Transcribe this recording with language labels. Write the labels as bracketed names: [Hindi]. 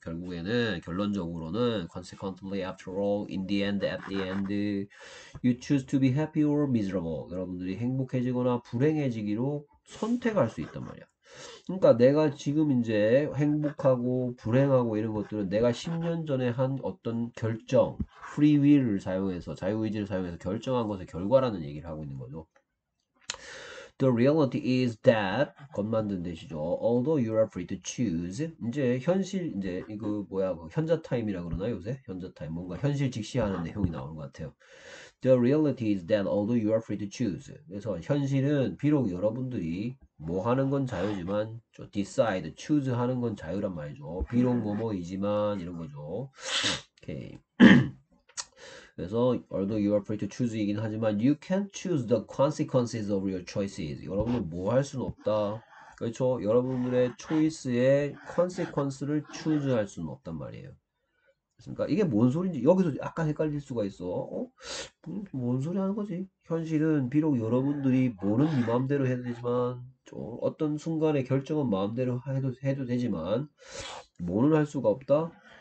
[Korean] 결국에는, 결론적으로는, [English] consequently, after all, in the end, at the end, you choose to be happy or miserable. [Korean] 여러분들이 행복해지거나 불행해지기로 선택할 수 있단 말이야. 그러니까 내가 지금 이제 행복하고 불행하고 이런 것들은 내가 10년 전에 한 어떤 결정, 프리윌을 사용해서, 자유의지를 사용해서 결정한 것의 결과라는 얘기를 하고 있는 거죠. [English] The reality is that, [Korean] 겉만든 뜻이죠. [English] Although you are free to choose. [Korean] 이제 현실, 이제 이거 뭐야, 현자 타임이라 그러나 요새? 현자 타임. 뭔가 현실 직시하는 내용이 나오는 것 같아요. [English] The reality is that although you are free to choose. [Korean] 그래서 현실은 비록 여러분들이 뭐 하는 건 자유지만, 저 decide, choose 하는 건 자유란 말이죠. 비록 뭐뭐이지만, 이런 거죠. 오케이. 그래서 [English] although you are free to choose [Korean] 이긴 하지만 [English] you can choose the consequences of your choices. [Korean] 여러분은 뭐할 수는 없다. 그렇죠? 여러분들의 choice의 consequence를 choose 할 수는 없단 말이에요. 그러니까 이게 뭔 소리인지 여기서 약간 헷갈릴 수가 있어. 뭔 소리 하는 거지? 현실은 비록 여러분들이 뭐는 네 마음대로 해도 되지만 어떤 순간에 결정은 마음대로 해도 되지만 뭐는 할 수가 없다.